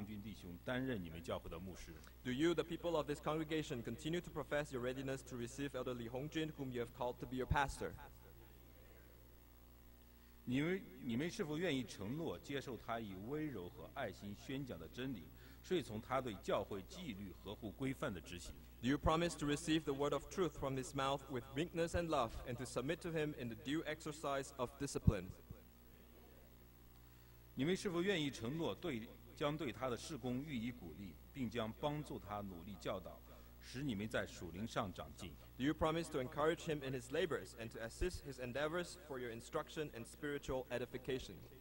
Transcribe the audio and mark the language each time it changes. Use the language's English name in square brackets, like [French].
[Chinese] 作为教会的会众，你是否愿意宣告你们愿意接纳李红军弟兄担任你们教会的牧师？ [English] Do you, the people of this congregation, continue to profess your readiness to receive Elder Li Hongjun, whom you have called to be your pastor? [Chinese] 你们是否愿意承诺接受他以温柔和爱心宣讲的真理，顺从他对教会纪律合乎规范的执行？ [English] Do you promise to receive the word of truth from his mouth with meekness and love, and to submit to him in the due exercise of discipline? [Chinese] 你们是否愿意承诺对将对他的事工予以鼓励，并将帮助他努力教导，使你们在属灵上长进？ [English] Do you promise to encourage him in his labors and to assist his endeavors for your instruction and spiritual edification?